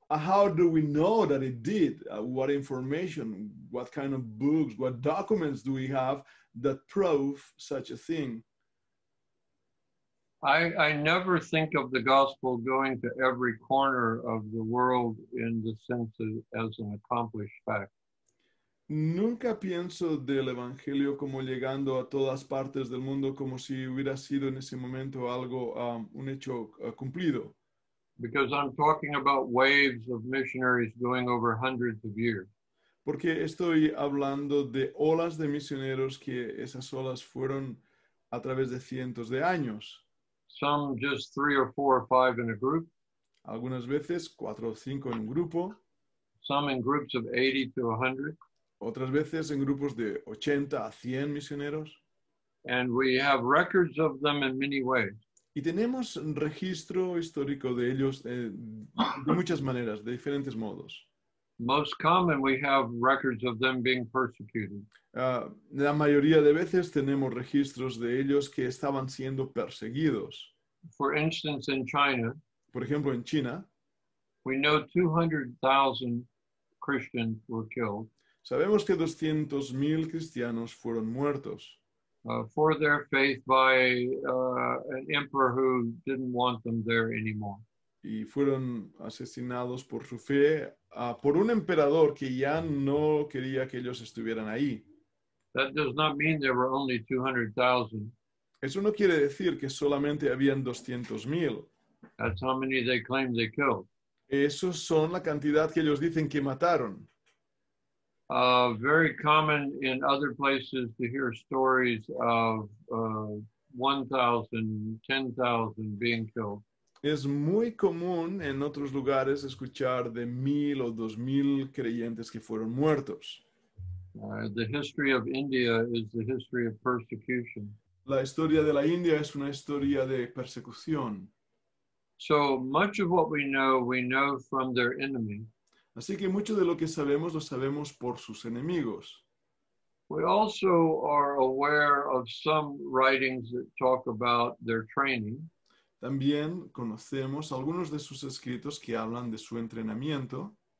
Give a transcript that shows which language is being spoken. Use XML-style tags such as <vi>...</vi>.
<en>How do we know that it did? What information, what kind of books, what documents do we have that prove such a thing? I never think of the gospel going to every corner of the world in the sense of, as an accomplished fact.</en> <es>Nunca pienso del evangelio como llegando a todas partes del mundo como si hubiera sido en ese momento algo un hecho cumplido.</es> <en>Because I'm talking about waves of missionaries going over hundreds of years.</en> <es>Porque estoy hablando de olas de misioneros que esas olas fueron a través de cientos de años.</es> <en>Some just three or four or five in a group.</en> <es>Algunas veces cuatro o cinco en un grupo.</es> <en>Some in groups of 80 to 100.</en> <es>Otras veces en grupos de 80 a 100 misioneros.</es> <en>And we have records of them in many ways.</en> <es>Y tenemos registro histórico de ellos de muchas maneras, de diferentes modos.</es> <en>Most common we have records of them being persecuted.</en> <es>La mayoría de veces tenemos registros de ellos que estaban siendo perseguidos.</es> <en>For instance, in China,</en> <es>por ejemplo, en China,</es> <en>we know 200,000 Christians were killed.</en> <es>Sabemos que 200,000 cristianos fueron muertos</es> <en>for their faith by an emperor who didn't want them there anymore.</en> <es>Y fueron asesinados por su fe por un emperador que ya no quería que ellos estuvieran ahí.</es> <en>That does not mean there were only 200,000.</en> <es>Eso no quiere decir que solamente habían 200,000.</es> <en>That's how many they claim they killed.</en> <es>Eso son la cantidad que ellos dicen que mataron.</es> <en>Very common in other places to hear stories of 1,000, 10,000 being killed.</en> <es>Es muy común en otros lugares escuchar de 1,000 o 2,000 creyentes que fueron muertos.</es> <en>The history of India is the history of persecution.</en> <es>La historia de la India es una historia de persecución.</es> <en>So much of what we know from their enemy.</en> <es>Así que mucho de lo que sabemos, lo sabemos por sus enemigos.</es> <en>We also are aware of some writings that talk about their training.</en> <es>También conocemos algunos de sus escritos que hablan de su entrenamiento.</es>